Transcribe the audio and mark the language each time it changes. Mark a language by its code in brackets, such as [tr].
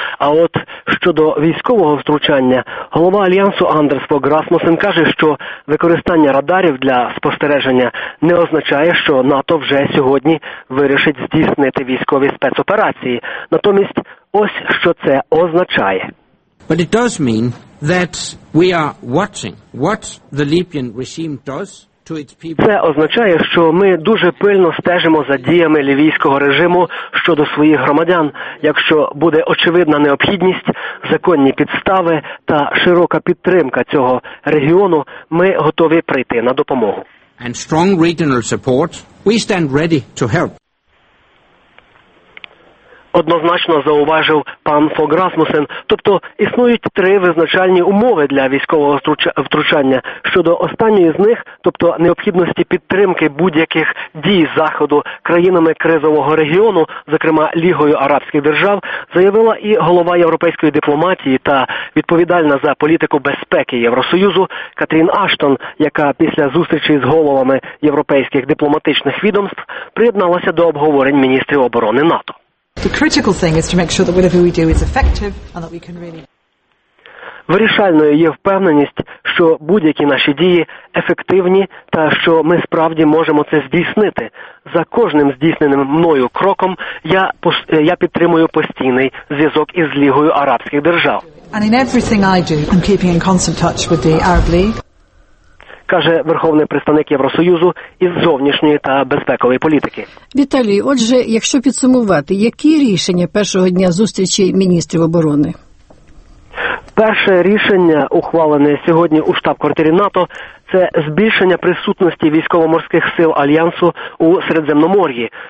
[uk] А от щодо військового втручання, голова Альянсу Андерс Фог Расмусен каже, що використання радарів для спостереження не означає, що НАТО вже сьогодні вирішить здійснити військові спецоперації. Натомість, ось що це означає. [en] But it does mean that we are watching what the Libyan regime does. [uk] Це означає, що ми дуже пильно стежимо за діями лівійського режиму щодо своїх громадян. Якщо буде очевидна необхідність, законні підстави та широка підтримка цього регіону, ми готові прийти на допомогу. [en] And strong regional support, we stand ready to help. [uk] Однозначно зауважив пан Фог Расмусен. Тобто існують три визначальні умови для військового втручання. Щодо останньої з них, тобто необхідності підтримки будь-яких дій Заходу країнами кризового регіону, зокрема Лігою Арабських Держав, заявила і голова європейської дипломатії та відповідальна за політику безпеки Євросоюзу Катрін Аштон, яка після зустрічі з головами європейських дипломатичних відомств приєдналася до обговорень міністрів оборони НАТО. [en] The critical thing is to make sure that whatever we do is effective and that we can really. [uk] Вирішальною є впевненість, що будь-які наші дії ефективні та що ми справді можемо це здійснити. За кожним здійсненим мною кроком я підтримую постійний зв'язок із Лігою Арабських Держав. [en] And in everything I do, I'm keeping in constant touch with the Arab League. [uk] Каже верховний представник Євросоюзу із зовнішньої та безпекової політики. Віталій, отже, якщо підсумувати, які рішення першого дня зустрічі міністрів оборони? Перше рішення, ухвалене сьогодні у штаб-квартирі НАТО, це збільшення присутності військово-морських сил Альянсу у Середземномор'ї.